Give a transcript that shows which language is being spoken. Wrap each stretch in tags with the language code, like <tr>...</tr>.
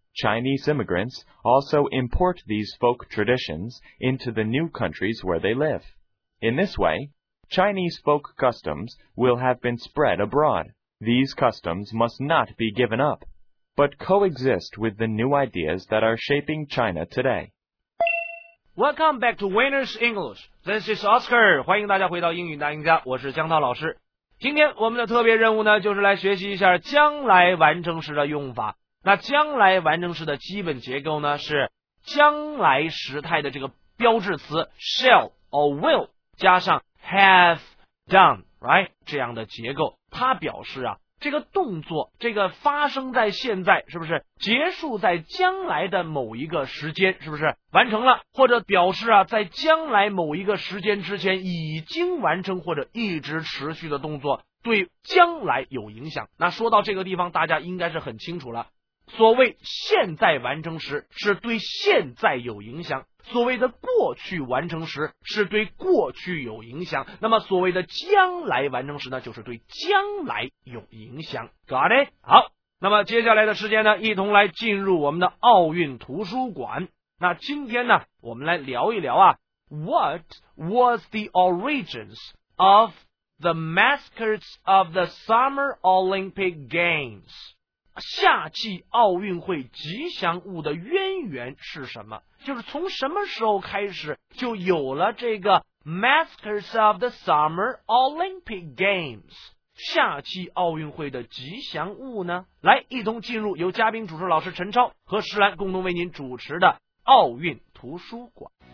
<en>Chinese immigrants also import these folk traditions into the new countries where they live. In this way, Chinese folk customs will have been spread abroad. These customs must not be given up, but coexist with the new ideas that are shaping China today. Welcome back to Winners English. This is Oscar.</en> <zh>欢迎大家回到英语大赢家，我是江涛老师。今天我们的特别任务呢，就是来学习一下将来完成时的用法。那将来完成时的基本结构呢，是将来时态的这个标志词 shall or will 加上</zh> <en>have done, right?</en> <zh>这样的结构，它表示啊，这个动作，这个发生在现在，是不是结束在将来的某一个时间，是不是完成了，或者表示啊，在将来某一个时间之前已经完成或者一直持续的动作，对将来有影响。那说到这个地方，大家应该是很清楚了，所谓现在完成时是对现在有影响，所谓的过去完成时是对过去有影响，那么所谓的将来完成时呢，就是对将来有影响。</zh> <en>Got it?</en> <zh>好，那么接下来的时间呢，一同来进入我们的奥运图书馆。那今天呢，我们来聊一聊啊，</zh> <en>What was the origins of the mascots of the Summer Olympic Games?</en> <zh>夏季奥运会吉祥物的渊源是什么？就是从什么时候开始就有了这个</zh> <en>Mascots of the Summer Olympic Games</en> <zh>夏季奥运会的吉祥物呢？来，一同进入由嘉宾主持老师陈超和石兰共同为您主持的奥运图书馆。</zh>